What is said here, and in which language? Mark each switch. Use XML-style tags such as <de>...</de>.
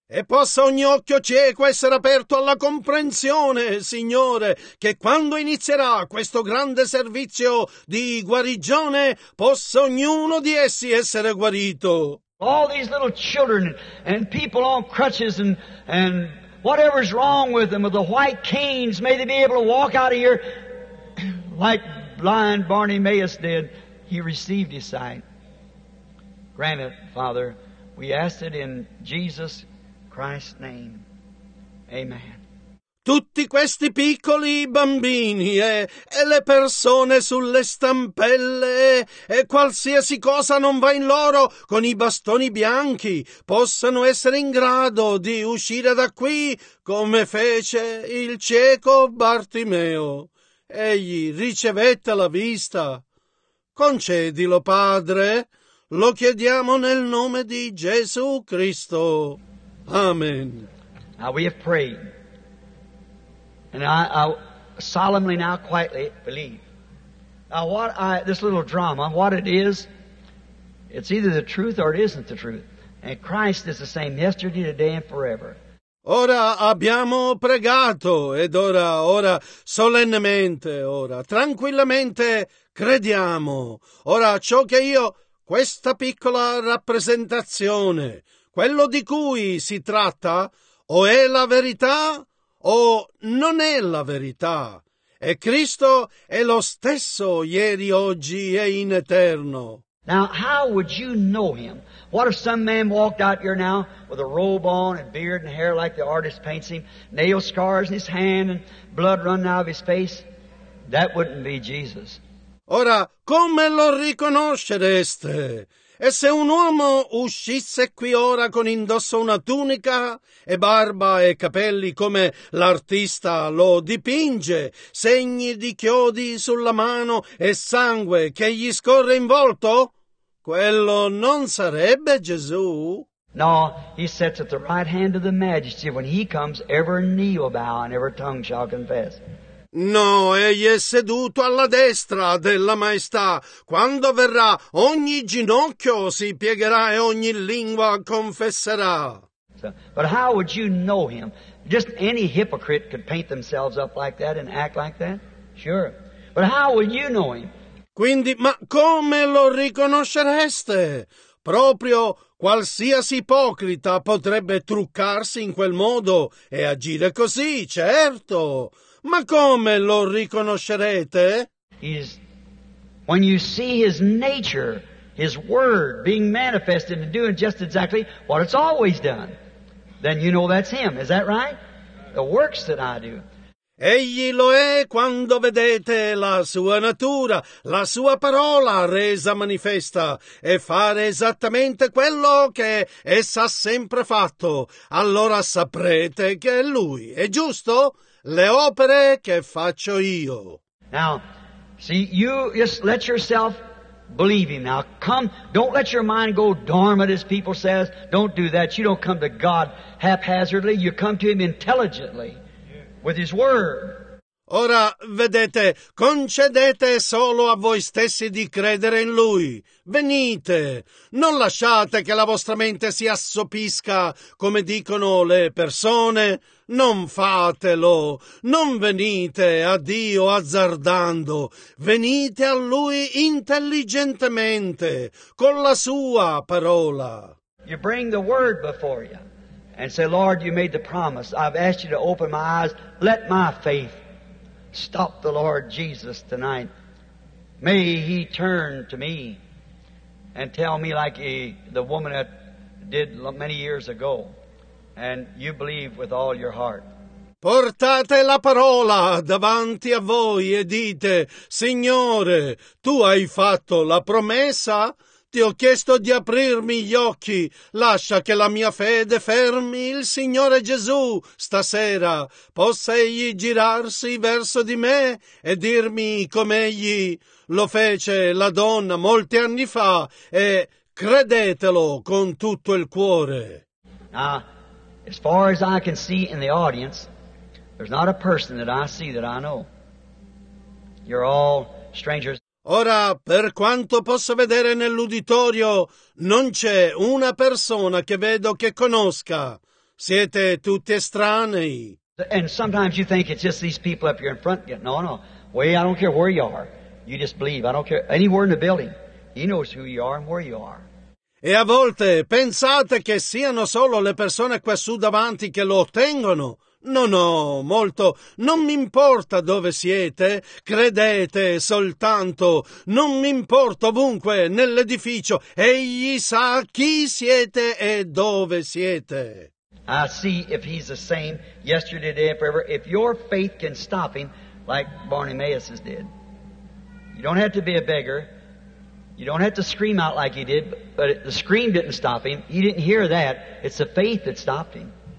<it>E possa ogni occhio cieco essere aperto alla comprensione, Signore, che quando inizierà questo grande servizio di guarigione, possa ognuno di essi essere guarito.</it> <en>All these little children and people on crutches and whatever's wrong with them, with the white canes, may they be able to walk out of here like blind Bartimaeus did. He received his sight. Grant it, Father. We ask it in Jesus Christ's name. Amen.</en> <it>Tutti questi piccoli bambini e le persone sulle stampelle e qualsiasi cosa non va in loro con i bastoni bianchi possano essere in grado di uscire da qui come fece il cieco Bartimeo. Egli ricevette la vista. Concedilo, Padre. Lo chiediamo nel nome di Gesù Cristo. Amen.</it> <en>Now we have prayed. And I solemnly now quietly believe. Now this little drama, what it is, it's either the truth or it isn't the truth. And Christ is the same yesterday, today and forever.</en> <it>Ora abbiamo pregato ed ora solennemente, ora tranquillamente crediamo. Ora ciò che io, questa piccola rappresentazione, quello di cui si tratta, o è la verità o non è la verità. E Cristo è lo stesso ieri, oggi e in eterno.</it> <en>Now, how would you know him? What if some man walked out here now with a robe on and beard and hair like the artist paints him, nail scars in his hand and blood running out of his face? That wouldn't be Jesus.</en> <it>Ora, come lo riconoscereste? E se un uomo uscisse qui ora con indosso una tunica e barba e capelli come l'artista lo dipinge, segni di chiodi sulla mano e sangue che gli scorre in volto, quello non sarebbe Gesù?</it> <en>No, he sits at the right hand of the majesty. When he comes, every knee will bow and every tongue shall confess.</en> <it>No, egli è seduto alla destra della maestà. Quando verrà, ogni ginocchio si piegherà e ogni lingua confesserà.</it> <en>So, but how would you know him? Just any hypocrite could paint themselves up like that and act like that? Sure. But how would you know him?</en> <it>Quindi, ma come lo riconoscereste? Proprio qualsiasi ipocrita potrebbe truccarsi in quel modo e agire così, certo. Ma come lo riconoscerete?</it> <en>When you see his nature, his word being manifested and doing just exactly what it's always done, then you know that's him. Is that right? The works that I do.</en> <it>Egli lo è quando vedete la sua natura, la sua parola resa manifesta e fare esattamente quello che essa ha sempre fatto. Allora saprete che è lui, è giusto? Le opere che faccio io.</it> <en>Now, see, you just let yourself believe him. Now, come, don't let your mind go dormant, as people says. Don't do that. You don't come to God haphazardly. You come to him intelligently with his word.</en> <it>Ora, vedete, concedete solo a voi stessi di credere in Lui. Venite, non lasciate che la vostra mente si assopisca, come dicono le persone. Non fatelo, non venite a Dio azzardando. Venite a Lui intelligentemente, con la Sua parola.</it> <en>You bring the word before you and say, Lord, you made the promise. I've asked you to open my eyes. Let my faith stop the Lord Jesus tonight. May he turn to me and tell me like the woman that did many years ago. And you believe with all your heart.</en> <it>Portate la parola davanti a voi e dite, Signore, tu hai fatto la promessa? Ti ho chiesto di aprirmi gli occhi. Lascia che la mia fede fermi il Signore Gesù stasera. Possa egli girarsi verso di me e dirmi come egli lo fece la donna molti anni fa e credetelo con tutto il cuore.</it> <en>Ah, as far as I can see in the audience, there's not a person that I see that I know. You're all strangers.</en> <it>Ora, per quanto posso vedere nell'uditorio, non c'è una persona che vedo che conosca. Siete tutti estranei.</it> <en>And sometimes you think it's just these people up here in front. No, no. Well, I don't care where you are. You just believe. I don't care. Anywhere in the building. He knows who you are and where you are.</en> <it>E a volte pensate che siano solo le persone quassù davanti che lo ottengono. No, no, molto. Non mi importa dove siete. Credete soltanto. Non mi importa ovunque, nell'edificio. Egli sa chi siete e dove siete.</it> <en>I see if he's the same yesterday, today, and forever. If your faith can stop him, like Bartimaeus did. You don't have to be a beggar. You don't have to scream out like he did, but the scream didn't stop him. He didn't hear that. It's the faith that stopped him.</en>